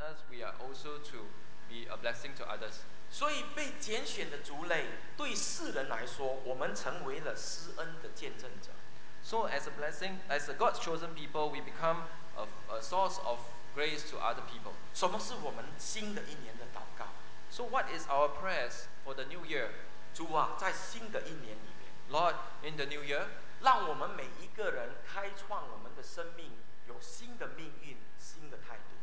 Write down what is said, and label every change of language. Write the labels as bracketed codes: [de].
[en] We are also to be a blessing to others. [zh] 所以被拣选的族类，对世人来说，我们成为了施恩的见证者。 [en] So as a blessing, as a God's chosen people, we become a source of grace to other people. [zh] 什么是我们新的一年的祷告？ [en] So what is our prayers for the new year? [zh] 主啊，在新的一年里面， [en] Lord, in the new year, [zh] 让我们每一个人开创我们的生命，有新的命运，新的态度。